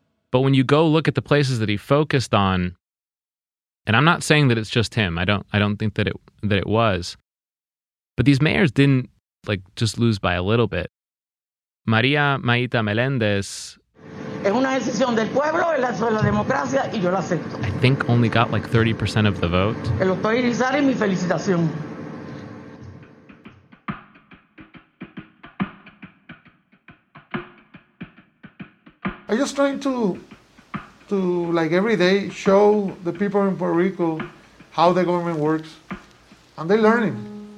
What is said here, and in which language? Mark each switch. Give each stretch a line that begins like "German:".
English: But when you go look at the places that he focused on, and I'm not saying that it's just him. I don't think that it was. But these mayors didn't like just lose by a little bit.
Spanish: Maria Maita Meléndez, es una decisión del pueblo, es la de la democracia, y yo la acepto.
English: I think only got like 30% of the vote.
Spanish: El doctor Irizarry, mi felicitación.
English: I'm just trying to like every day show the people in Puerto Rico how the government works, and they're learning.